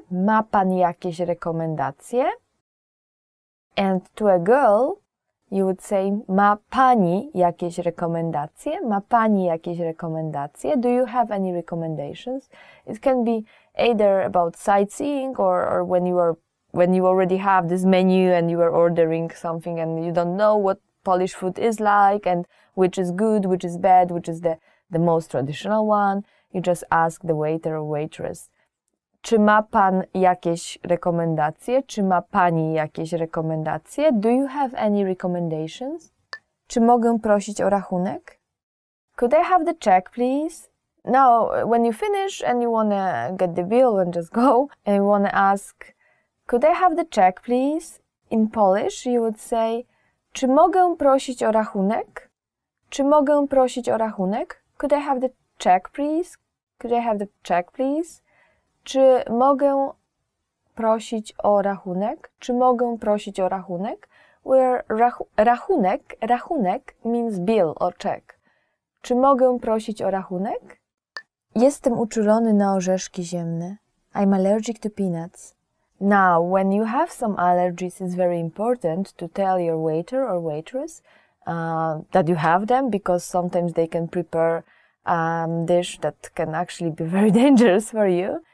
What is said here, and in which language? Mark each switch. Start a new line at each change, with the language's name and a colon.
Polish: Ma pan jakieś rekomendacje?
English: And to a girl, you would say,
Polish: ma pani jakieś rekomendacje? Ma pani jakieś rekomendacje?
English: Do you have any recommendations? It can be either about sightseeing or when you already have this menu and you are ordering something and you don't know what Polish food is like and which is good, which is bad, which is the most traditional one. You just ask the waiter or waitress,
Polish: czy ma pan jakieś rekomendacje? Czy ma pani jakieś rekomendacje?
English: Do you have any recommendations?
Polish: Czy mogę prosić o rachunek?
English: Could I have the check, please? Now, when you finish and you want to get the bill and just go, and you want to ask, could I have the check, please? In Polish, you would say,
Polish: czy mogę prosić o rachunek? Czy mogę prosić o rachunek?
English: Could I have the check, please? Could I have the check, please?
Polish: Czy mogę prosić o rachunek? Czy mogę prosić o rachunek?
English: Where rachunek means bill or check.
Polish: Czy mogę prosić o rachunek? Jestem uczulony na orzeszki ziemne.
English: I'm allergic to peanuts. Now, when you have some allergies, it's very important to tell your waiter or waitress that you have them, because sometimes they can prepare dish that can actually be very dangerous for you.